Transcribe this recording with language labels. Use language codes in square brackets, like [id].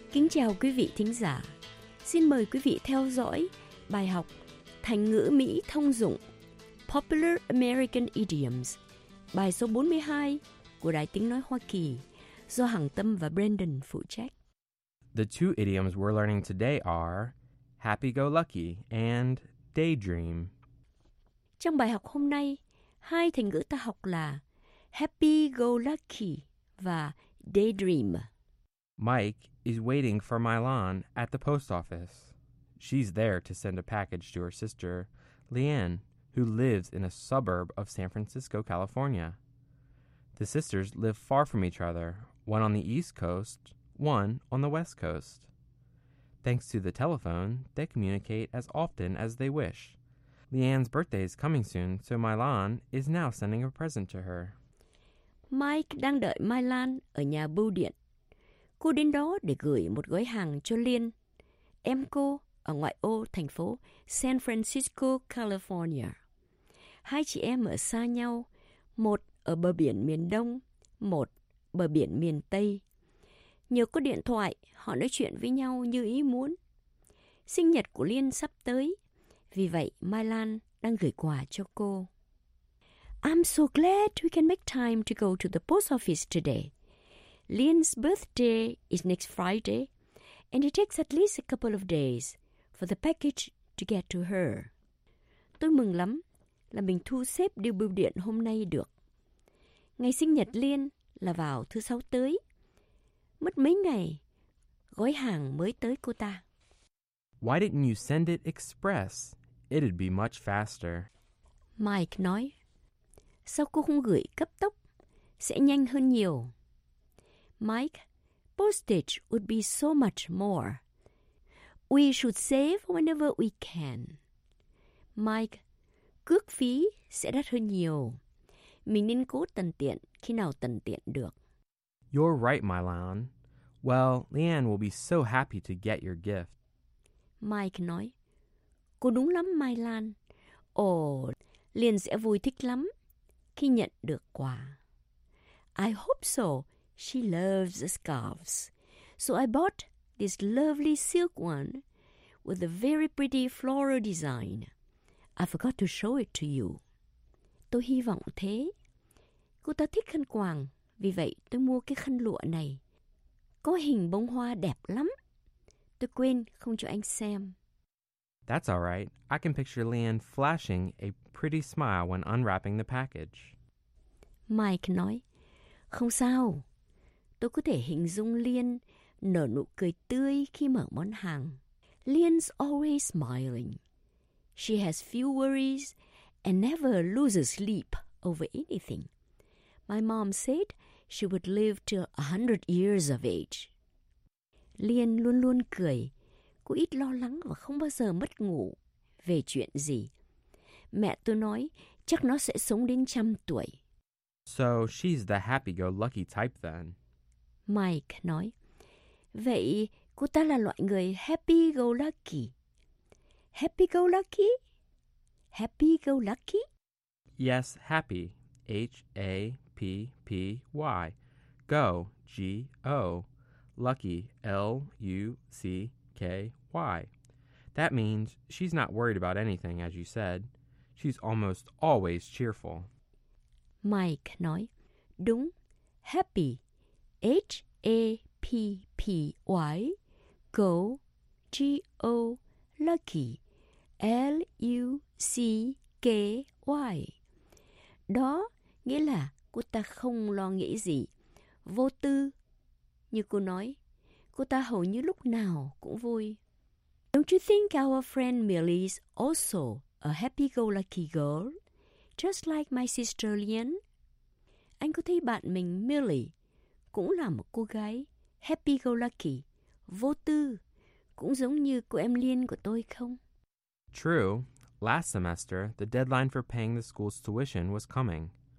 [vi] Chào quý vị thính giả, xin mời quý vị theo dõi bài học Thành ngữ Mỹ thông dụng Popular American Idioms, bài số 42 của Đài Tiếng Nói Hoa Kỳ do Hằng Tâm và Brandon phụ trách. [en] The two idioms we're learning today are happy-go-lucky and daydream. [vi] Trong bài học hôm nay, hai thành ngữ ta học là happy-go-lucky và daydream. [en] Mike is waiting for Mylon at the post office. She's there to send a package to her sister, Leanne, who lives in a suburb of San Francisco, California. The sisters live far from each other, one on the East Coast, one on the West Coast. Thanks to the telephone, they communicate as often as they wish. Leanne's birthday is coming soon, so Mylon is now sending a present to her. [vi] Mike đang đợi Mylon ở nhà bưu điện. Cô đến đó để gửi một gói hàng cho Liên, em cô ở ngoại ô thành phố San Francisco, California. Hai chị em ở xa nhau, một ở bờ biển miền Đông, một bờ biển miền Tây. Nhờ có điện thoại, họ nói chuyện với nhau như ý muốn. Sinh nhật của Liên sắp tới, vì vậy Mai Lan đang gửi quà cho cô. [en] I'm so glad we can make time to go to the post office today. Lian's birthday is next Friday, and it takes at least a couple of days for the package to get to her. [vi] Tôi mừng lắm là mình thu xếp điều bưu điện hôm nay được. Ngày sinh nhật Lian là vào thứ sáu tới. Mất mấy ngày, gói hàng mới tới cô ta. [en] Why didn't you send it express? It'd be much faster. [vi] Mike nói, sao cô không gửi cấp tốc? Sẽ nhanh hơn nhiều. [en] Mike, postage would be so much more. We should save whenever we can. Mike, [vi] cước phí sẽ đắt hơn nhiều. Mình nên cố tận tiện khi nào tận tiện được. [en] You're right, Mylan. Well, Leanne will be so happy to get your gift. [vi] Mike nói, cô đúng lắm, Mylan. Ồ, Liên sẽ vui thích lắm khi nhận được quà. [en] I hope so. She loves scarves. So I bought this lovely silk one with a very pretty floral design. I forgot to show it to you. [vi] Tôi hy vọng thế. Cô ta thích khăn quàng, vì vậy tôi mua cái khăn lụa này. Có hình bông hoa đẹp lắm. Tôi quên không cho anh xem. [en] That's all right. I can picture Leanne flashing a pretty smile when unwrapping the package. [vi] Mike nói, không sao. Tôi có thể hình dung Leanne nở nụ cười tươi khi mở món hàng. [en] Leanne's always smiling. She has few worries and never loses sleep over anything. My mom said she would live till 100 years of age. [vi] Leanne luôn luôn cười. Cô ít lo lắng và không bao giờ mất ngủ về chuyện gì. Mẹ tôi nói chắc nó sẽ sống đến 100 tuổi. [en] So she's the happy-go-lucky type then. [vi] Mike nói, vậy cô ta là loại người happy-go-lucky. [en] Happy-go-lucky? Happy-go-lucky? Yes, happy. H-A-P-P-Y. Go, G-O. Lucky, L-U-C-K-Y. That means she's not worried about anything, as you said. She's almost always cheerful. [vi] Mike nói, đúng, happy, H-A-P-P-Y, go, G-O, lucky, L-U-C-K-Y. Đó nghĩa là cô ta không lo nghĩ gì, vô tư. Như cô nói, cô ta hầu như lúc nào cũng vui. [en] Don't you think our friend Millie is also a happy-go-lucky girl, just like my sister Leanne? [vi] Anh có thấy bạn mình Millie cũng là một cô gái happy-go-lucky, vô tư, cũng giống như cô em Liên của tôi không? [en] True. Last semester, the deadline for paying the school's tuition was coming.